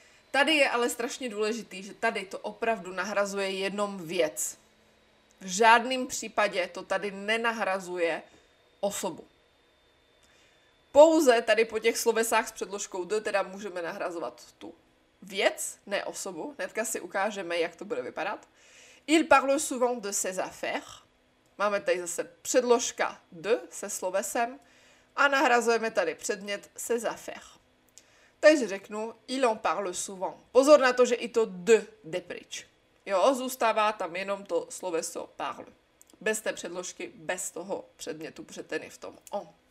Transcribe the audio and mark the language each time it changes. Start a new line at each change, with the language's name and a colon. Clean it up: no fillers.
Czech: Tady je ale strašně důležitý, že tady to opravdu nahrazuje jenom věc. V žádném případě to tady nenahrazuje osobu. Pouze tady po těch slovesách s předložkou de teda můžeme nahrazovat tu věc, ne osobu. Hnedka si ukážeme, jak to bude vypadat.
French: Il parle souvent de ses affaires.
Czech: Máme tady zase předložka de se slovesem. A nahrazujeme tady předmět ses affaires. Takže řeknu,
French: il en parle souvent.
Czech: Pozor na to, že i to de jde pryč. Jo, zůstává tam jenom to sloveso parle. Bez té předložky, bez toho předmětu, protože ten je v tom on.